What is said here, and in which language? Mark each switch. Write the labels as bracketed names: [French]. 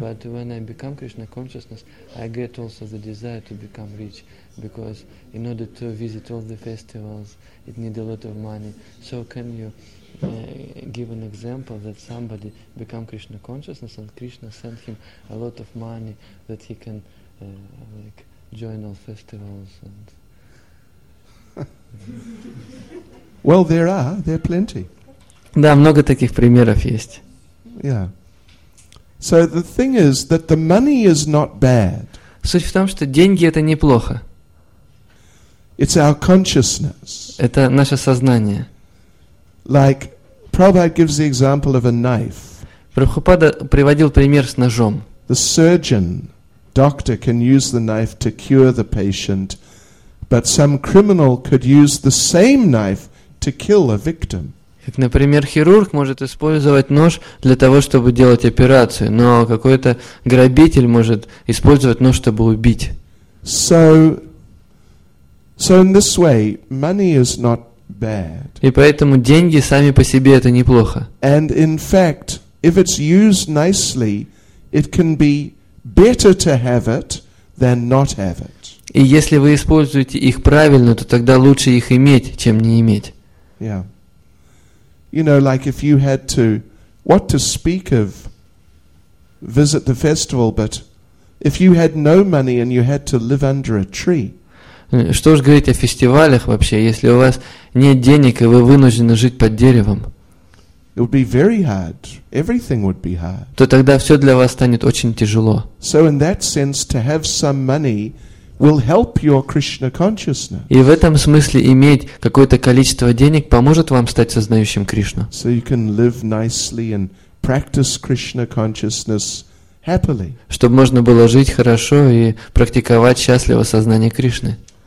[English] But when I become Krishna consciousness, I get also the desire to become rich, because in order to visit all the festivals, it needs a lot of money. So can you give an example that somebody become Krishna consciousness and Krishna sent him a lot of money that he can join all festivals and Well, there are plenty. [Russian] Да, много таких примеров есть. [English] Yeah. So the thing is that the money is not bad. [Russian] Суть в том, что деньги это неплохо. [English] It's our consciousness. [Russian] Это наше сознание. [English] Like Prabhupada gives the example of a knife. [Russian] Прабхупада приводил пример с ножом. [English] The surgeon Doctor can use the knife to cure the patient, but some criminal could use the same knife to kill a victim. [Russian] Как, например, хирург может использовать нож для того, чтобы делать операцию, но какой-то грабитель может использовать нож, чтобы убить. [English] So in this way, money is not bad. [Russian] И поэтому деньги сами по себе это неплохо. [English] And in fact, if it's used nicely, it can be better to have it than not have it. [Russian] И если вы используете их правильно, то тогда лучше их иметь, чем не иметь. [English] Yeah. You know, like if you had to what to speak of visit the festival, but if you had no money and you had to live under a tree. [Russian] Что ж говорить о фестивалях вообще, если у вас нет денег и вы вынуждены жить под деревом? [English] It would be very hard. Everything would be hard. [Russian] То тогда все для вас станет очень тяжело. [English] So in that sense, to have some money will help your Krishna consciousness. [Russian] И в этом смысле иметь какое-то количество денег поможет вам стать сознающим Кришну. [English] So you can live nicely and practice Krishna consciousness happily. [Russian] Чтобы можно было жить хорошо и практиковать счастливо сознание Кришны.